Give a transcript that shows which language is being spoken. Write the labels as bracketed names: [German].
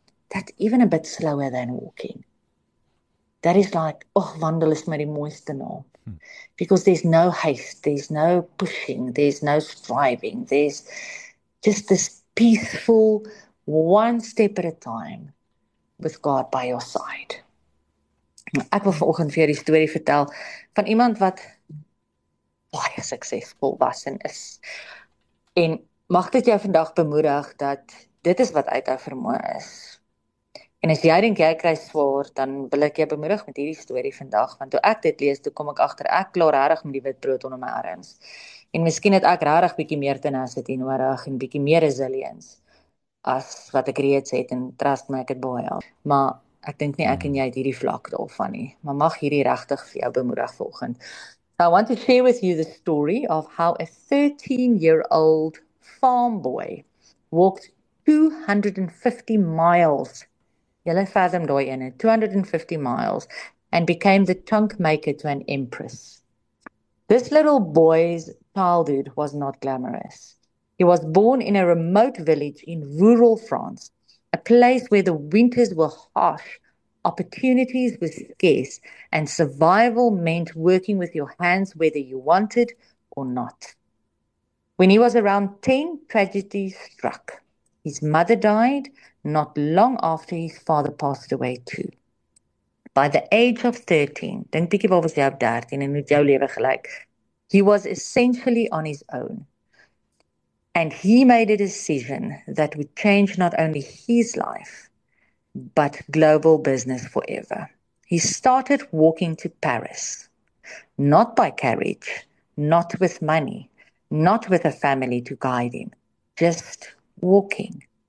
[English] That even a bit slower than walking. That is like, oh, [Afrikaans] wandel is my die mooiste naam. [English] Because there's no haste, there's no pushing, there's no striving, there's just this peaceful one step at a time with God by your side. [Afrikaans] Ek wil vanoggend vir julle die storie vertel van iemand wat baie suksesvol was en is. En Mag dit jou vandag bemoedig dat dit is wat uit jou vermoë is. En as jy dink jy kry swaar, dan wil ek jou bemoedig met hierdie storie vandag, want toe ek dit lees, toe kom ek agter ek klaar regtig met die wit brood onder my arms. En miskien het ek regtig bietjie meer tenacity nodig en bietjie meer resilience as wat ek reeds het, en trust my, ek het baie. Maar ek dink nie ek en jy het hierdie vlak daarvan nie. Maar mag hierdie regtig vir jou bemoedig volgende. [English] I want to share with you the story of how a 13-year-old farm boy walked 250 miles. [Afrikaans] Julle fathom daai ene, [English] 250 miles, and became the trunk maker to an empress. This little boy's childhood was not glamorous. He was born in a remote village in rural France, a place where the winters were harsh, opportunities were scarce, and survival meant working with your hands whether you wanted or not. When he was around 10, tragedy struck. His mother died not long after his father passed away too. By the age of 13, [Afrikaans] dink bietjie waar was jy op 13 en hoe het jou lewe gelyk? [English] He was essentially on his own. And he made a decision that would change not only his life, but global business forever. He started walking to Paris, not by carriage, not with money, not with a family to guide him, just walking.